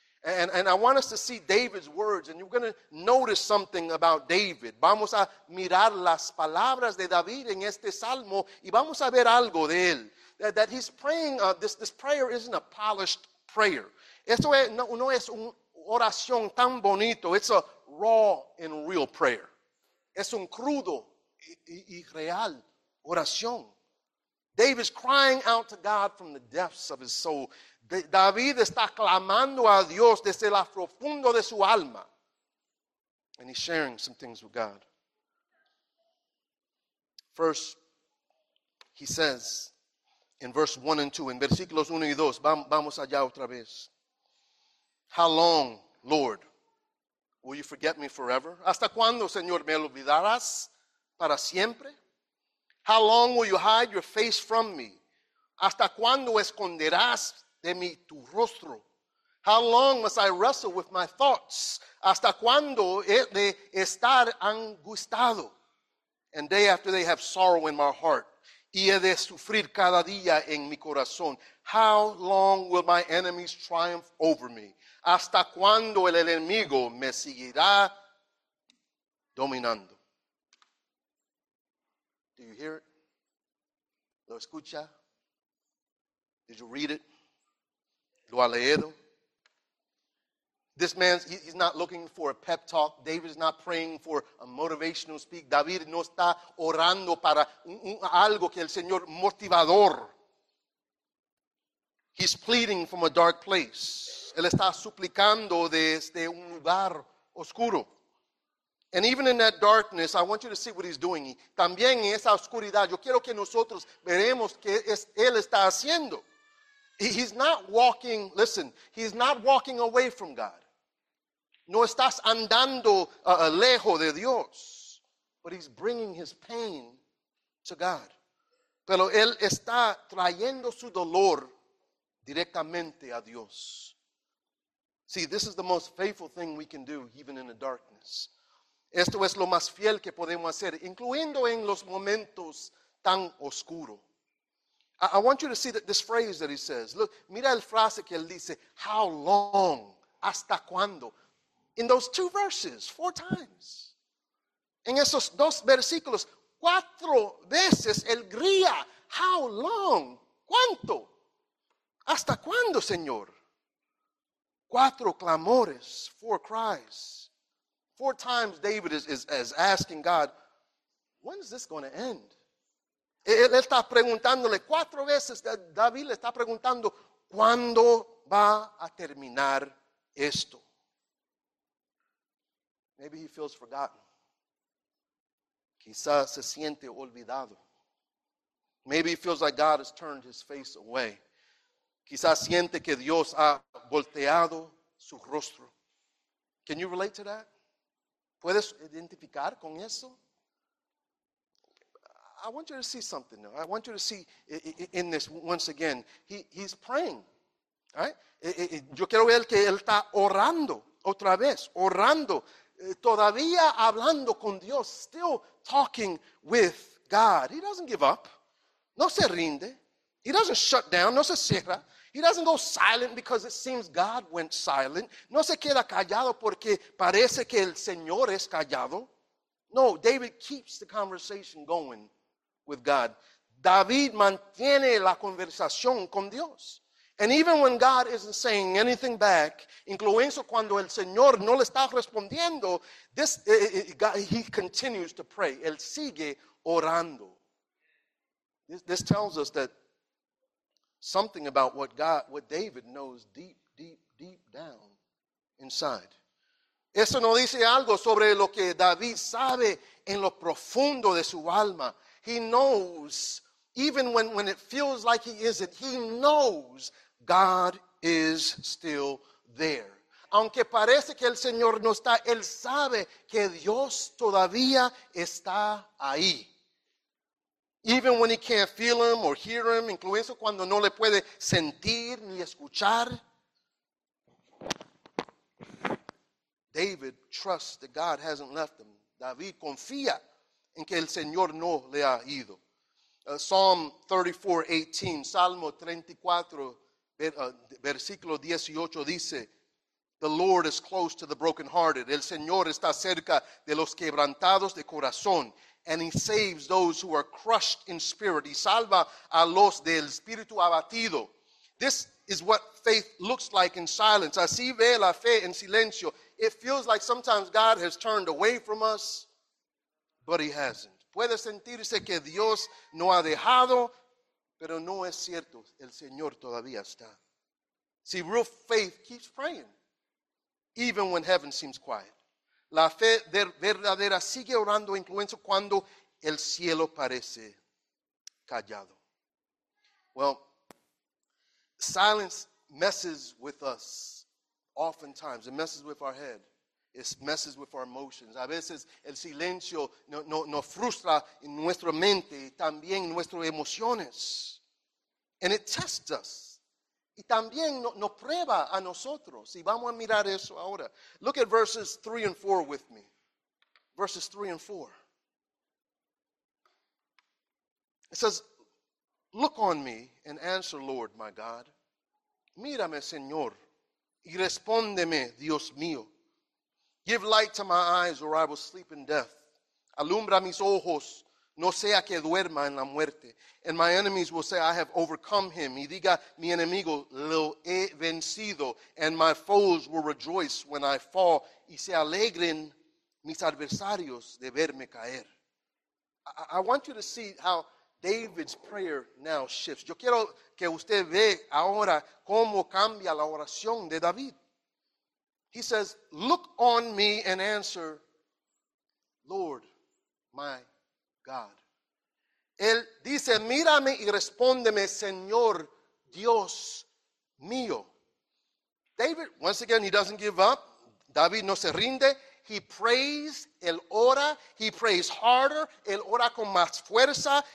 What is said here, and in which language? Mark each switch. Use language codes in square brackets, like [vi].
[en] And I want us to see David's words, and you're going to notice something about David. [es] Vamos a mirar las palabras de David en este salmo, y vamos a ver algo de él. [en] That he's praying, this prayer isn't a polished prayer. [es] Esto es, no es una oración tan bonito. [en] It's a raw and real prayer. [es] Es un crudo y real oración. [en] David's crying out to God from the depths of his soul. [es] David está clamando a Dios desde lo profundo de su alma. [en] And he's sharing some things with God. First, he says in verse 1 and 2, [es] en versículos 1 y 2, vamos allá otra vez. [en] How long, Lord, will you forget me forever? [es] ¿Hasta cuándo, Señor, me olvidarás para siempre? [en] How long will you hide your face from me? [es] ¿Hasta cuándo esconderás de mí tu rostro? [en] How long must I wrestle with my thoughts? [es] ¿Hasta cuándo he de estar angustiado? [en] And day after day have sorrow in my heart. [es] Y he de sufrir cada día en mi corazón. [en] How long will my enemies triumph over me? [es] ¿Hasta cuándo el enemigo me seguirá dominando? [en] Do you hear it? [es] ¿Lo escucha? [en] Did you read it? [es] ¿Lo ha leído? [en] This man, he's not looking for a pep talk. David is not praying for a motivational speak. [es] David no está orando para algo que el Señor motivador. [en] He's pleading from a dark place. [es] Él está suplicando desde un lugar oscuro. [en] And even in that darkness, I want you to see what he's doing. [es] También en esa oscuridad, yo quiero que nosotros veremos qué él está haciendo. [en] He's not walking, listen, he's not walking away from God. [es] No estás andando lejos de Dios. [en] But he's bringing his pain to God. [es] Pero él está trayendo su dolor directamente a Dios. [en] See, this is the most faithful thing we can do, even in the darkness. [es] Esto es lo más fiel que podemos hacer, incluyendo en los momentos tan oscuros. [en] I want you to see this phrase that he says. [es] Look, mira el frase que él dice, how long, hasta cuándo. In those two verses, four times. En esos dos versículos, cuatro veces él grita, [en] how long, [es] cuánto, hasta cuándo, Señor. Cuatro clamores, [en] four cries. Four times David is asking God, when is this going to end? [es] Él está preguntándole cuatro veces, David le está preguntando, ¿cuándo va a terminar esto? [en] Maybe he feels forgotten. [es] Quizás se siente olvidado. [en] Maybe he feels like God has turned his face away. [es] Quizás siente que Dios ha volteado su rostro. [en] Can you relate to that? [es] ¿Puedes identificar con eso? [en] I want you to see something though. I want you to see in this once again. He's praying. Right? [es] Yo quiero ver que él está orando otra vez. Orando. Todavía hablando con Dios. [en] Still talking with God. He doesn't give up. [es] No se rinde. [en] He doesn't shut down. [es] No se cierra. [en] He doesn't go silent because it seems God went silent. [es] No se queda callado porque parece que el Señor es callado. [en] No, David keeps the conversation going with God. [es] David mantiene la conversación con Dios. [en] And even when God isn't saying anything back, [es] incluso cuando el Señor no le está respondiendo, [en] he continues to pray. [es] Él sigue orando. [en] This tells us that Something about what God, what David knows deep, deep, deep down inside. [es] Eso no dice algo sobre lo que David sabe en lo profundo de su alma. [en] He knows, even when it feels like he isn't, he knows God is still there. [es] Aunque parece que el Señor no está, él sabe que Dios todavía está ahí. [en] Even when he can't feel him or hear him, [es] incluso cuando no le puede sentir ni escuchar, [en] David trusts that God hasn't left him. [es] David confía en que el Señor no le ha ido. [en] Psalm 34:18, [es] Salmo 34, versículo 18 dice, [en] "The Lord is close to the brokenhearted. [es] El Señor está cerca de los quebrantados de corazón." [en] And he saves those who are crushed in spirit. [es] Y salva a los del espíritu abatido. [en] This is what faith looks like in silence. [es] Así ve la fe en silencio. [en] It feels like sometimes God has turned away from us, but he hasn't. [es] Puede sentirse que Dios no ha dejado, pero no es cierto. El Señor todavía está. [en] See, real faith keeps praying, even when heaven seems quiet. [es] La fe verdadera sigue orando incluso cuando el cielo parece callado. [en] Well, silence messes with us oftentimes. It messes with our head. It messes with our emotions. [es] A veces el silencio no frustra en nuestra mente y también nuestras emociones. [en] And it tests us. [es] Y también nos prueba a nosotros. Y vamos a mirar eso ahora. [en] Look at verses 3 and 4 with me. Verses 3 and 4. It says, "Look on me and answer, Lord, my God. [es] Mírame, Señor, y respóndeme, Dios mío. [en] Give light to my eyes or I will sleep in death. [es] Alumbra mis ojos, no sea que duerma en la muerte. [en] And my enemies will say, I have overcome him. [es] Y diga, mi enemigo, lo he vencido. [en] And my foes will rejoice when I fall. [es] Y se alegren mis adversarios de verme caer. [en] I want you to see how David's prayer now shifts. [es] Yo quiero que usted ve ahora cómo cambia la oración de David. [en] He says, look on me and answer, Lord, my God. [es] Él dice, mírame y respóndeme, Señor, Dios mío. [en] David, once again, he doesn't give up. [es] David no se rinde. [en] He prays, [es] él ora. [en] He prays harder, [es] él ora con más fuerza.